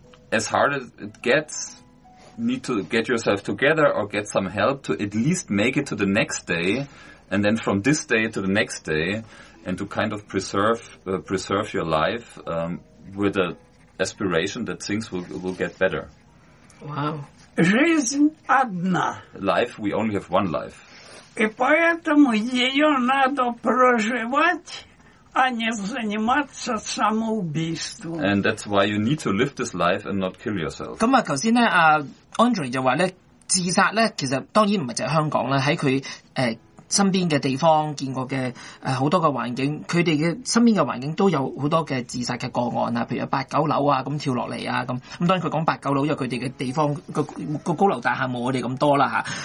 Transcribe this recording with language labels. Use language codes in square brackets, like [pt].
[en] as hard as it gets, need to get yourself together or get some help to at least make it to the next day, and then from this day to the next day, and to kind of preserve your life with a aspiration that things will get better. Wow. [ru] Жизнь одна. [en] Life, we only have one life. [ru] И поэтому ее надо проживать, а не заниматься самоубийством. [en] And that's why you need to live this life and not kill yourself. [yue] 咁啊，头先咧，Andre 就话咧，自杀咧，其实当然唔系就香港啦，喺佢身邊的地方見過的很多的環境，他們的身邊的環境都有很多的自殺的個案，譬如八九樓啊咁跳下來啊咁。當然他講八九樓，因為他們的地方個高樓大廈沒有我們那麼多啦。